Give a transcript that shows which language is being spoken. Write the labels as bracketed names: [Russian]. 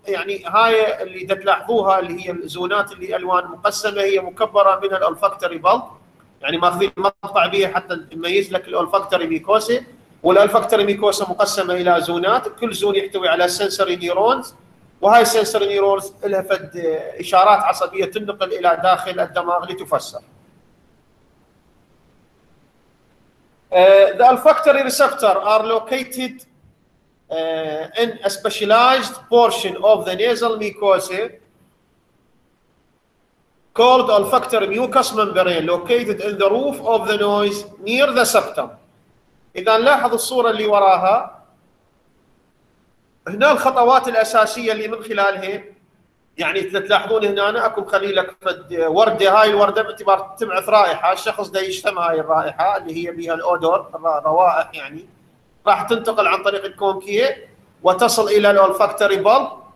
[Arabic] يعني هاي اللي تلاحظوها اللي هي الزونات اللي الوان مقسمه هي مكبره من الالفاكتوري بالب، يعني ماخذين مقطع بها حتى يميز لك الالفاكتوري ميكوسه. والالفاكتوري ميكوسه مقسمه الى زونات، كل زون يحتوي على سنسوري نيرونز، وهاي السنسوري نيرونز لها فد اشارات عصبيه تنقل الى داخل الدماغ لتفسر. [English] The olfactory receptors are located in a specialized portion of the nasal mucosa called olfactory mucous membrane located in the roof of the nose near the septum. [Arabic] إذا لاحظ الصورة اللي وراها، هنا الخطوات الأساسية اللي من خلالها، يعني تلاحظون هنا أنا أكو خليلك وردة. هاي الوردة باعتبار تبعث رائحة، الشخص ده يشتم هاي الرائحة اللي هي بها الأودور، روائح يعني، راح تنتقل عن طريق الكونكية وتصل إلى الألفاكتوري بالب.